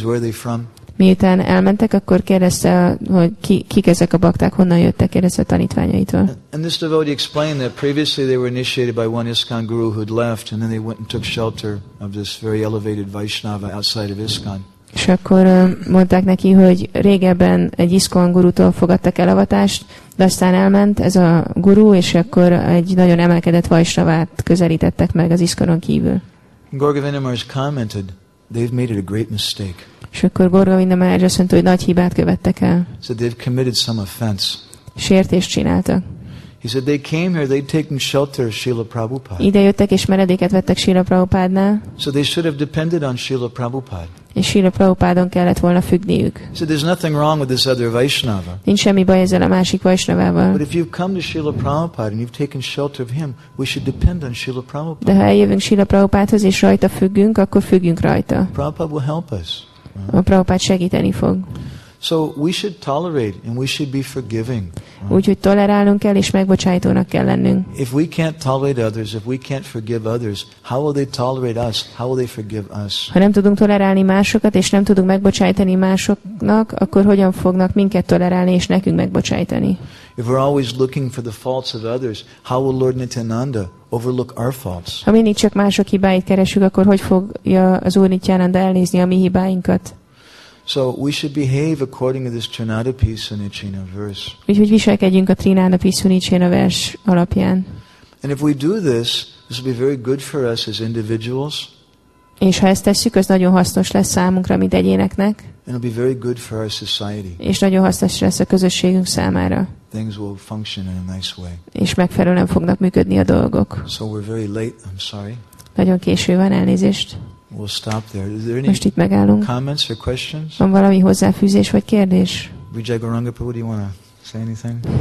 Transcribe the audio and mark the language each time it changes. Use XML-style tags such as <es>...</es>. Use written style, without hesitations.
<en>Where are they from?"</en> <hu>Miután elmentek, akkor kérdezte, hogy kik ezek a bakták, honnan jöttek, kérdezte a tanítványaitól.</hu> <en>And this devotee explained that previously they were initiated by one ISKCON guru who had left, and then they went and took shelter of this very elevated Vaishnava outside of ISKCON.</en> <hu>És akkor mondták neki, hogy régebben egy ISKCON gurútól fogadtak el avatást, de aztán elment ez a guru, és akkor egy nagyon emelkedett Vaishnavát közelítettek meg az ISKCON-on kívül.</hu> <en>Gaurivinda Maharaj commented, they've made it a great mistake.</en> <hu>És akkor Gaurivinda Maharaj azt mondta, hogy nagy hibát követtek el.</hu> <en>So they've committed some offense.</en> <hu>Sértést csináltak.</hu> <en>He said they came here, they'd taken shelter of Srila Prabhupada.</en> <hu>Ide jöttek és menedéket vettek Srila Prabhupádnál.</hu> <en>So they should have depended on Srila Prabhupada.</en> <hu>És Srila Prabhupádon kellett volna függniük.</hu> <en>So there's nothing wrong with this other Vaishnava.</en> <hu>Nincs semmi baj ezzel a másik Vaishnavával.</hu> <en>But if you've come to Srila Prabhupada and you've taken shelter of him, we should depend on Srila Prabhupada.</en> <hu>De ha eljövünk Srila Prabhupádhoz és rajta függünk, akkor függünk rajta.</hu> <en>Prabhupada will help us.</en> <hu>A Prabhupád segíteni fog.</hu> <en>So we should tolerate and we should be forgiving.</en> <hu>Úgyhogy tolerálnunk kell és megbocsájtónak kell lennünk.</hu> <en>If we can't tolerate others, if we can't forgive others, how will they tolerate us? How will they forgive us?</en> <hu>Ha nem tudunk tolerálni másokat és nem tudunk megbocsájtani másoknak, akkor hogyan fognak minket tolerálni és nekünk megbocsájtani?</hu> <en>If we're always looking for the faults of others, how will Lord Nityananda overlook our faults?</en> <hu>Ha mindig csak mások hibáit keresünk, akkor hogy fogja az Úr Nityananda elnézni a mi hibáinkat?</hu> <en>So we should behave according to this Trinadapi Sunicina verse.</en> <hu>Úgyhogy viselkedjünk a Trinadapi Sunicina vers alapján.</hu> <en>And if we do this, this will be very good for us as individuals.</en> <hu>És ha ezt tesszük, ez nagyon hasznos lesz számunkra, mint egyéneknek.</hu> <en>And it'll be very good for our society.</en> <hu>És nagyon hasznos lesz a közösségünk számára.</hu> <en>Things will function in a nice way.</en> <hu>És megfelelően fognak működni a dolgok.</hu> <en>So we're very late. I'm sorry.</en> <hu>Nagyon késő van, elnézést.</hu> <en>We'll stop there. Is there any</en> <hu>most itt megállunk.</hu> <en>Comments or questions?</en> <hu>Van valami hozzáfűzés vagy kérdés?</hu> <en>Vijay Gauranga Prabhu, do you want to say anything?</en>